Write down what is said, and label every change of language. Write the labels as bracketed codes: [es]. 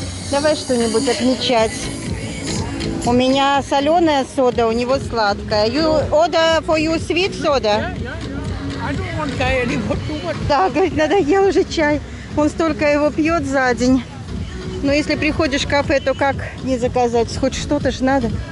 [ru] Давай что-нибудь отмечать. У меня соленая сода, у него сладкая. [en] You order for you sweet soda? Yeah, yeah, yeah. I don't want chai anymore too much. [ru] Да, говорит, надоел уже чай. Он столько его пьет за день. Но если приходишь в кафе, то как не заказать? Хоть что-то же надо.